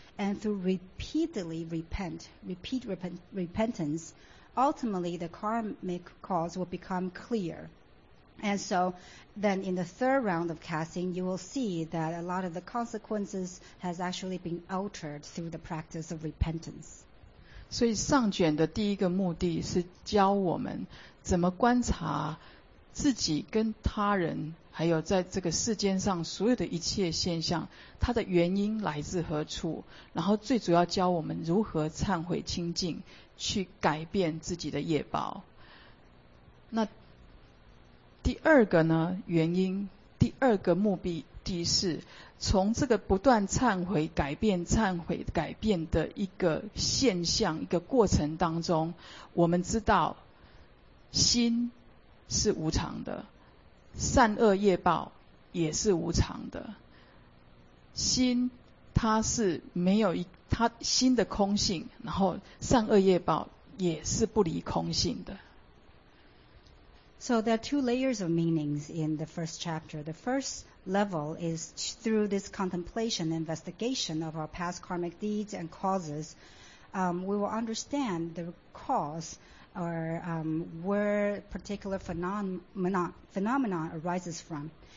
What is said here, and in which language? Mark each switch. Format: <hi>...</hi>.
<en>And through repeatedly repentance, ultimately the karmic cause will become clear. And so then in the third round of casting, you will see that a lot of the consequences has actually been altered through the practice of repentance.</en> <zh>所以上卷的第一个目的是教我们怎么观察自己跟他人，还有在这个世间上所有的一切现象，它的原因来自何处，然后最主要教我们如何忏悔清净，去改变自己的业报。那第二个呢，原因，第二个目的是从这个不断忏悔改变忏悔改变的一个现象一个过程当中，我们知道心是无常的，善恶业报也是无常的。心它是没有它心的空性，然后善恶业报也是不离空性的。</zh> <en>So there are two layers of meanings in the first chapter. The first level is through this contemplation, investigation of our past karmic deeds and causes, we will understand the cause or where particular phenomena arises from.</en>